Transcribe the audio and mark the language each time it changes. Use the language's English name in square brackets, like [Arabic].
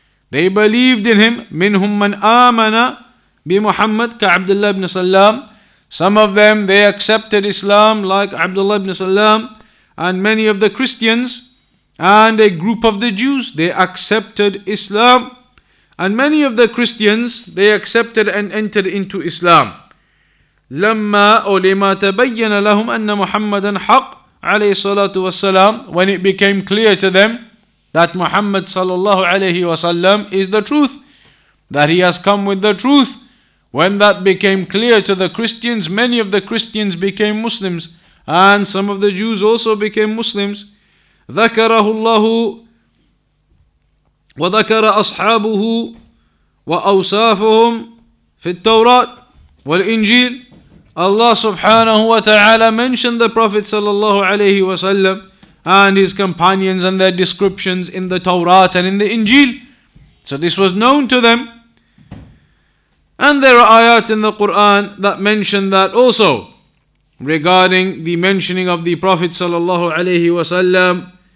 [English] They believed in him. [Arabic] Minhum man amana bi Muhammad ka Abdullah ibn Salam. [English] Some of them, they accepted Islam like Abdullah ibn Salam. And many of the Christians and a group of the Jews, they accepted Islam. And many of the Christians, they accepted and entered into Islam. [Arabic] لما أو لما تبين لهم أن محمدا حق عليه الصلاة والسلام. [English] When it became clear to them that Muhammad صلى الله عليه وسلم is the truth, that he has come with the truth. When that became clear to the Christians, many of the Christians became Muslims, and some of the Jews also became Muslims. [Arabic] ذكره الله وذكر أصحابه وأوصافهم في التوراة والإنجيل. [English] Allah subhanahu wa ta'ala mentioned the Prophet sallallahu alayhi wa sallam and his companions and their descriptions in the Torah and in the Injil. So this was known to them. And there are ayat in the Quran that mention that also regarding the mentioning of the Prophet sallallahu alayhi wa sallam.